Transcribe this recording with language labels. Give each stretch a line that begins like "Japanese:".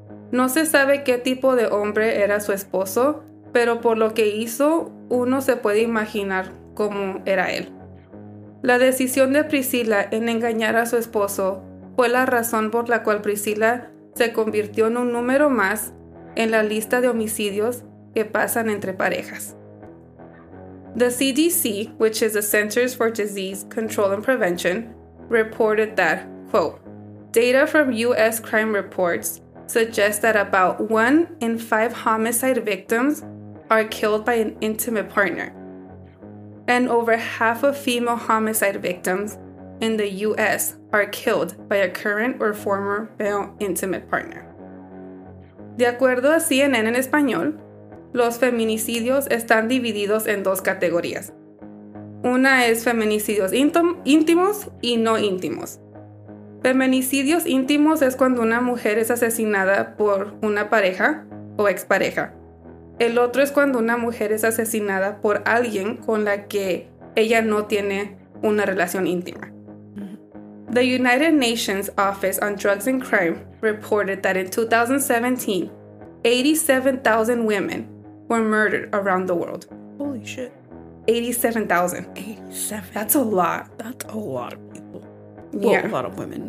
Spanish: No se sabe qué tipo de hombre era su esposo, pero por lo que hizo, uno se puede imaginar cómo era él. La decisión de Priscila en engañar a su esposo fue la razón por la cual Priscila se convirtió en un número más en la lista de homicidios que pasan entre parejas.
English: The CDC, which is the Centers for Disease Control and Prevention, reported that, quote, data from U.S. crime reports suggest that about 1 in 5 homicide victims are killed by an intimate partner, and over half of female homicide victims in the U.S. are killed by a current or former male intimate partner.
Spanish: De acuerdo a CNN en español, los feminicidios están divididos en dos categorías. Una es feminicidios íntimos y no íntimos. Feminicidios íntimos es cuando una mujer es asesinada por una pareja o expareja. El otro es cuando una mujer es asesinada por alguien con la que ella no tiene una relación íntima.
English: The United Nations Office on Drugs and Crime reported that in 2017, 87,000 women were murdered around the world. Holy shit. 87,000. 87. That's a lot. That's a lot of people. Yeah. Well, a lot of women.